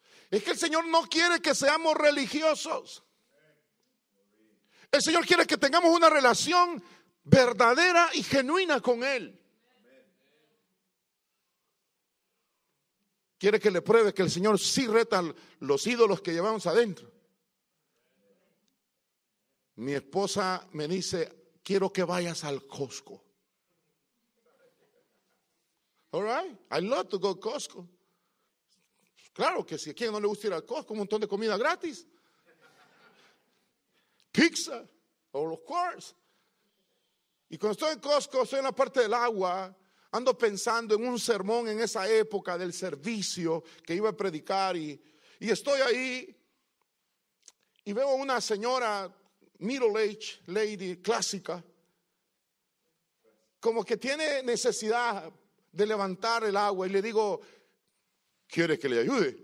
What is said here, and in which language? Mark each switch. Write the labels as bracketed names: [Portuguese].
[Spanish] Es que el Señor no quiere que seamos religiosos. El Señor quiere que tengamos una relación verdadera y genuina con Él. Quiere que le pruebe que el Señor sí reta los ídolos que llevamos adentro. Mi esposa me dice, quiero que vayas al Costco. [English] All right, I love to go to Costco. [Spanish] Claro que si a quien no le gusta ir al Costco, un montón de comida gratis. [English] Pizza, of course. [Spanish] Y cuando estoy en Costco, estoy en la parte del agua, ando pensando en un sermón en esa época del servicio que iba a predicar y estoy ahí y veo a una señora [English] middle age lady [Spanish] clásica, como que tiene necesidad de levantar el agua, y le digo: ¿quiere que le ayude?